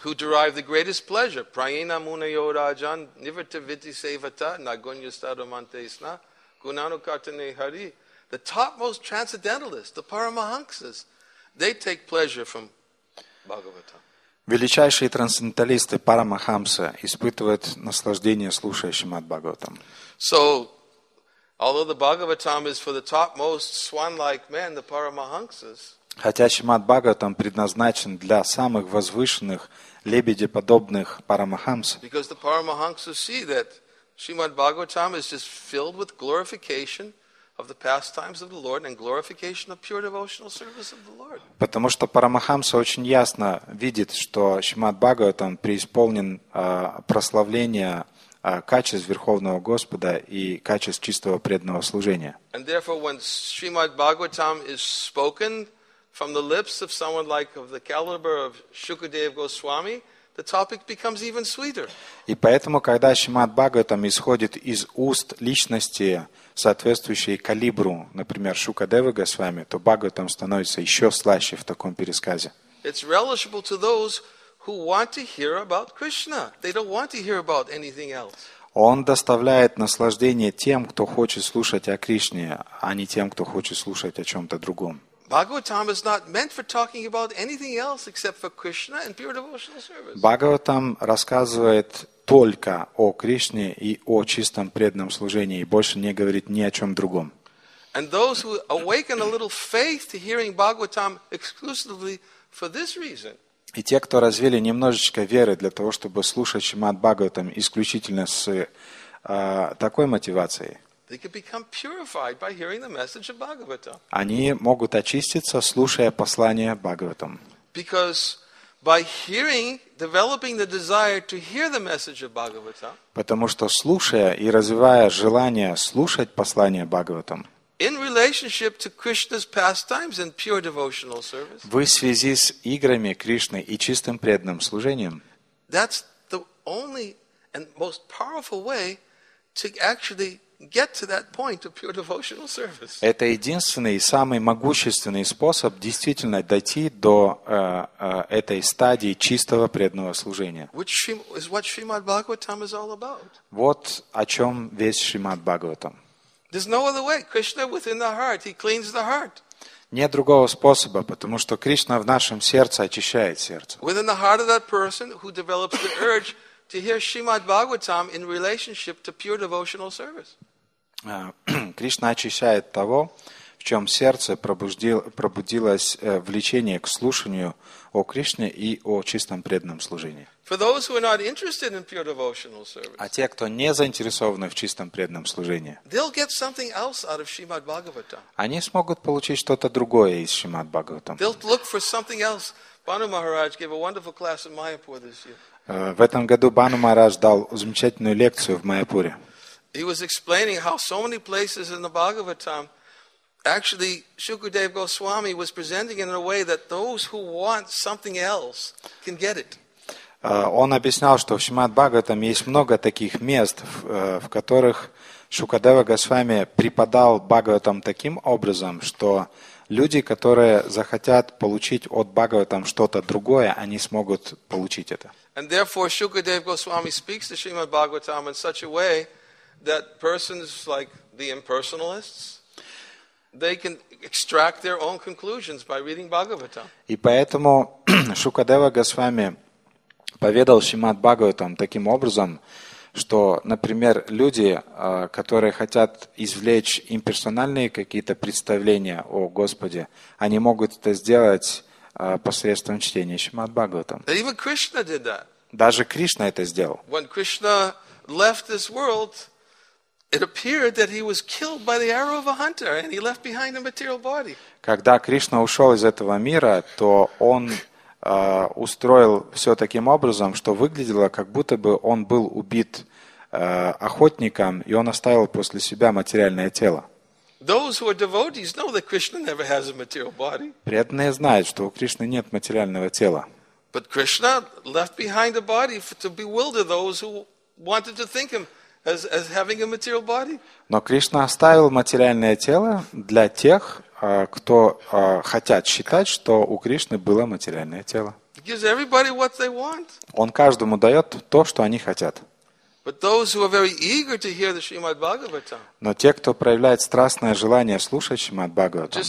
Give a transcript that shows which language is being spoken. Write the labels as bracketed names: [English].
[English] Who derive the greatest pleasure? [Sanskrit] Prayena munayo rajan nivrta viti sevata nagunya staramantesna gunanukartane hari. [English] The topmost transcendentalists, the Paramahamsas, they take pleasure from Bhagavatam. [Russian] Величайшие трансценденталисты, Парамахамса, испытывают наслаждение, слушая Шримад Бхагаватам. [English] So, although the Bhagavatam is for the topmost swan-like men, the Paramahamsas, [Russian] хотя Шримад Бхагаватам предназначен для самых возвышенных, лебедеподобных Парамахамс, [English] because the Paramahamsas see that Shrimad Bhagavatam is just filled with glorification of the pastimes of the Lord and glorification of pure devotional service of the Lord. [Russian] Потому что Парамахамса очень ясно видит, что Шримад Бхагаватам преисполнен прославления качеств Верховного Господа и качеств чистого преданного служения. [English] And therefore, when Shrimad Bhagavatam is spoken from the lips of someone like of the caliber of Shukadev Goswami, the topic becomes even sweeter. [Russian] И поэтому, когда Шримад Бхагаватам исходит из уст личности, соответствующей калибру, например, Шукадевы Госвами, то Бхагаватам становится еще слаще в таком пересказе. [English] It's relishable to those who want to hear about Krishna. They don't want to hear about anything else. [Russian] Он доставляет наслаждение тем, кто хочет слушать о Кришне, а не тем, кто хочет слушать о чем-то другом. [English] Bhagavatam is not meant for talking about anything else except for Krishna and pure devotional service. [Russian] Bhagavatam рассказывает только о Кришне и о чистом преданном служении, и больше не говорит ни о чем другом. [English] And those who awaken a little faith to hearing Bhagavatam exclusively for this reason. [Russian] И те, кто развили немножечко веры для того, чтобы слушать Шримад Бхагаватам исключительно с такой мотивацией. [English] They can become purified by hearing the message of Bhagavatam. [Russian] Они могут очиститься, слушая послание Бхагаватам. [English] Because by hearing, developing the desire to hear the message of Bhagavatam. [Russian] Потому что слушая и развивая желание слушать послание Бхагаватам. [English] In relationship to Krishna's pastimes and pure devotional service. [Russian] В связи с играми Кришны и чистым преданным служением. [English] That's the only and most powerful way to actually get to that point of pure devotional service. [Russian] Это единственный и самый могущественный способ действительно дойти до этой стадии чистого преданного служения. [English] Which is what Shrimad Bhagavatam is all about. [Russian] Вот о чем весь Шримад Бхагаватам. [English] There's no other way. Krishna within the heart, he cleans the heart. [Russian] Нет другого способа, потому что Кришна в нашем сердце очищает сердце. [English] Within the heart of that person who develops the urge to hear Shrimad Bhagavatam in relationship to pure devotional service. [Russian] Кришна очищает того, в чем сердце пробудилось влечение к слушанию о Кришне и о чистом преданном служении. [English] For those who are not interested in pure devotional service. [Russian] А те, кто не заинтересованы в чистом преданном служении. [English] They'll get something else out of Shrimad Bhagavatam. [Russian] Они смогут получить что-то другое из Шримад Бхагаватам. [English] They'll look for something else. Бану Махарадж gave a wonderful class in Майяпур this year. [Russian] В этом году Бану Махарадж дал замечательную лекцию в Майяпуре. [English] He was explaining how so many places in the Bhagavatam actually Shukadev Goswami was presenting it in a way that those who want something else can get it. [Russian] Он объяснял, что в Шримад Бхагаватам есть много таких мест, в которых Шукадева Госвами преподал Бхагаватам таким образом, что люди, которые захотят получить от Бхагаватам что-то другое, они смогут получить это. [English] And therefore, Shukadev Goswami speaks to Shrimad Bhagavatam in such a way that persons like the impersonalists, they can extract their own conclusions by reading Bhagavatam. [Russian] И поэтому Шукадева Госвами поведал Шримад Бхагаватам таким образом, что, например, люди, которые хотят извлечь имперсональные какие-то представления о Господе, они могут это сделать посредством чтения Шримад Бхагаватам. [English] Even Krishna did that. [Russian] Даже Кришна это сделал. [English] When Krishna left this world, it appeared that he was killed by the arrow of a hunter, and he left behind a material body. [Russian] Когда Кришна ушел из этого мира, то он устроил все таким образом, что выглядело, как будто бы он был убит охотником, и он оставил после себя материальное тело. [English] Those who are devotees know that Krishna never has a material body. [Russian] Преданные знают, что у Кришны нет материального тела. [English] But Krishna left behind a body to bewilder those who wanted to think him as having a material body. [Russian] Но Кришна оставил материальное тело для тех, кто хотят считать, что у Кришны было материальное тело. [English] He gives everybody what they want. [Russian] Он каждому дает то, что они хотят. [English] But those who are very eager to hear the Srimad Bhagavatam. [Russian] Но те, кто проявляет страстное желание слушать Шримад Бхагаватам.